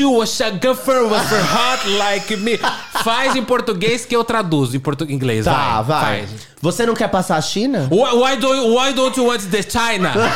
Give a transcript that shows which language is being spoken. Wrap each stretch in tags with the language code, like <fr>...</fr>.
<en>you wish a girlfriend was hot like me.</en> <pt>Faz em português que eu traduzo em inglês. Tá, vai. Você não quer passar a China?</pt> <en>Why don't you want the China?</en>